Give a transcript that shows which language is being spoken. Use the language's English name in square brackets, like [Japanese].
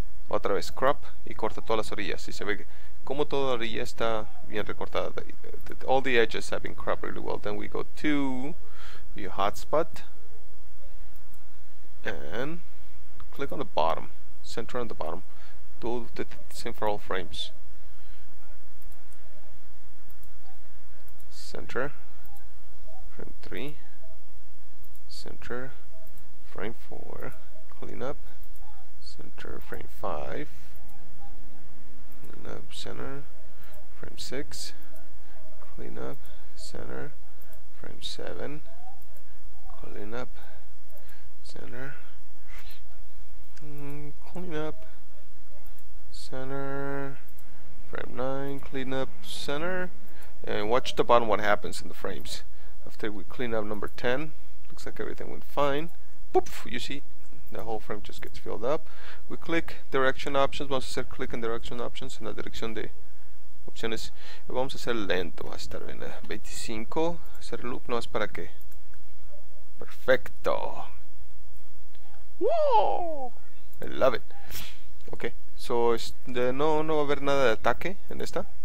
[Spanish] Otra vez crop y corta todas las orillas. Y se ve como toda la orilla está bien recortada. [English] All the edges have been cropped really well. Then we go to view hotspot and click on the bottom, center on the bottom. Do the same for all frames. Center, frame 3, center, frame 4, clean up, center, frame 5, clean up, center, frame 6, clean up, center, frame 7, clean up, center, clean up, center, frame 9, clean up, center. And watch the bottom, what happens in the frames. After we clean up number 10, looks like everything went fine. Poof, you see, the whole frame just gets filled up. We click direction options. [Spanish] Vamos a hacer click en direction options, en la dirección de opciones. Vamos a hacer lento, va a estar en 25. Hacer loop, no es para qué. [English] Perfecto. Wow, I love it. [Spanish] Okay, so no va a haber nada de ataque en esta.